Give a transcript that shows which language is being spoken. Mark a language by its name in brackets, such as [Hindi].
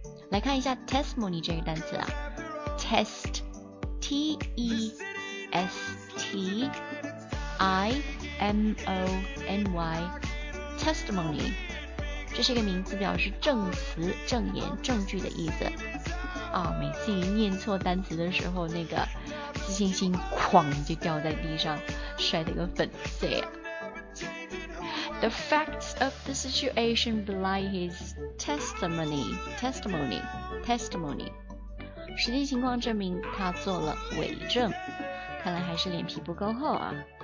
[Chinese] 来看一下 testimony 这个单词啊， test， T-E-S-T-I-M-O-N-Y， testimony，这是一个名词，表示证词、证言、证据的意思。啊，每次一念错单词的时候，那个自信心哐就掉在地上，摔得个粉碎啊。 [English] The facts of the situation belie his testimony. Testimony. Testimony. [Chinese] 实际情况证明他做了伪证。看来还是脸皮不够厚啊。